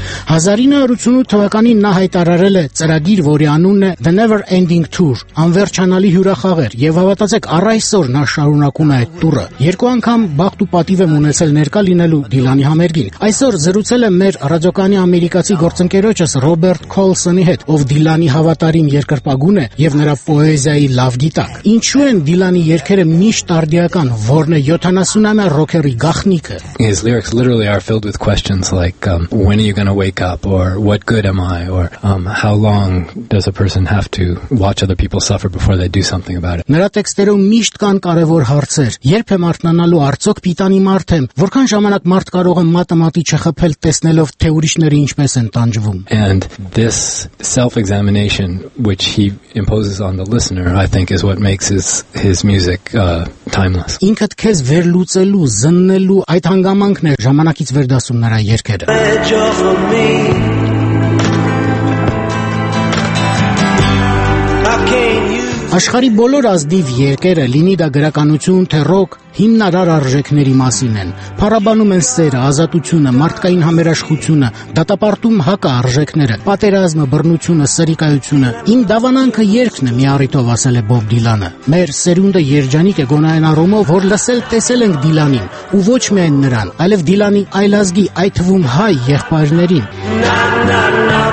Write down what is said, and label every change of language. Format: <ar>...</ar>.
<hy>Հազարինը 88 թվականին նա հայտարարել է ծրագիր, որի անունն է The Never Ending Tour, անվերջանալի հյուրախաղեր, եւ հավատացեք, առայսօր նա շարունակում է այդ տուրը։ Երկու անգամ բախտ ու պատիվ եմ ունեցել ներկա լինելու Դիլանի համերգին։ Այսօր զրուցել եմ մեր ռադիոկանի ամերիկացի գործընկերոջս Ռոբերտ Քոլսոնի հետ, ով Դիլանի հավատարիմ երկրպագուն է եւ նրա պոեզիայի լավ գիտակ։ Ինչու են Դիլանի երգերը միշտ արդիական, որն է 70-ամյա ռոքերի գաղտնիքը։</hy> <en>His lyrics literally are filled with questions like when are you going to wake up, or what good am I, or how long does a person have to watch other people suffer before they do something about it.</en> <hy>Նրա տեքստերում միշտ կան կարևոր հարցեր. Երբ եմ արթնանալու արцоգ պիտանի մարդ եմ, որքան ժամանակ մարդ կարող է մաթեմատի չխփել տեսնելով թե ուրիշները ինչպես են տանջվում.</hy> <en>And this self-examination which he imposes on the listener, I think, is what makes his music timeless.</en> <hy>Ինքդ քեզ վերլուծելու, զննելու այդ հանգամանքն է ժամանակից վեր դասում նրա երկերը. Աշխարի բոլոր ազդիվ երկերը, լինի դա գրականություն թե ռոք, հիմնարար արժեքների մասին են։ Փառաբանում են սերը, ազատությունը, մարդկային համերաշխությունը, դատապարտում հակա արժեքները, պատերազմը, բռնությունը, սրիկայությունը։ «Իմ դավանանքը երգն է», միառիտով ասել է Բոբ Դիլանը։ «Մեր սերունդը երջանիկ է գոնային առումով, որ լսել տեսել ենք Դիլանին, ու ոչ միայն նրան, այլև Դիլանի այլազգի, այդ թվում հայ եղբայրներին»։</hy>